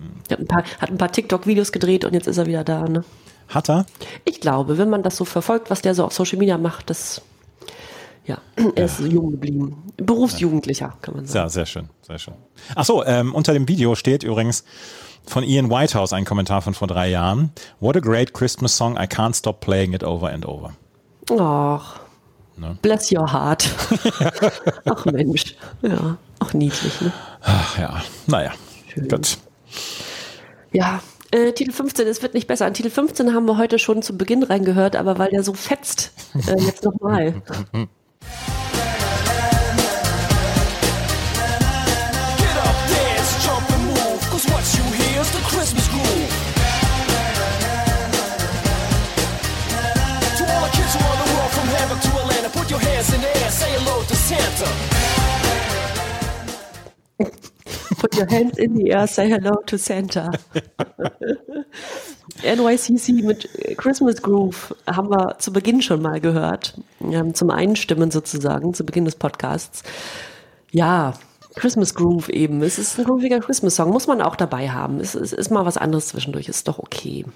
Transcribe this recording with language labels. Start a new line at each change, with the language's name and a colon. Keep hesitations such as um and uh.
German: Der hat ein paar, hat ein paar TikTok-Videos gedreht und jetzt ist er wieder da, ne? Hat er? Ich glaube, wenn man das so verfolgt, was der so auf Social Media macht, das. Ja, er ist jung geblieben. Berufsjugendlicher, kann man sagen. Ja, sehr schön, sehr schön. Ach so, ähm, unter dem Video steht übrigens von Ian Whitehouse ein Kommentar von vor drei Jahren.
English: What a great Christmas song, I can't stop playing it over and over.
German: Ach.
English: Bless your heart.
German: Ach Mensch. Ja, auch niedlich, ne? Ach ja, naja, gut. Ja, äh, Titel 15, es wird nicht besser. An Titel 15 haben wir heute schon zu Beginn reingehört, aber weil der so fetzt, äh, jetzt nochmal.
English: Get up, dance, jump and move, cause what you hear is the Christmas groove. To all the kids around the world, from heaven to Atlanta, put your hands in the air, say hello to Santa. Put your hands in the air, say hello to Santa.
German: NYCC mit äh, Christmas Groove haben wir zu Beginn schon mal gehört. Ähm, Zum Einstimmen sozusagen, zu Beginn des Podcasts. Ja, Christmas Groove eben. Es ist ein grooviger Christmas-Song, muss man auch dabei haben. Es ist, ist mal was anderes zwischendurch, ist doch okay.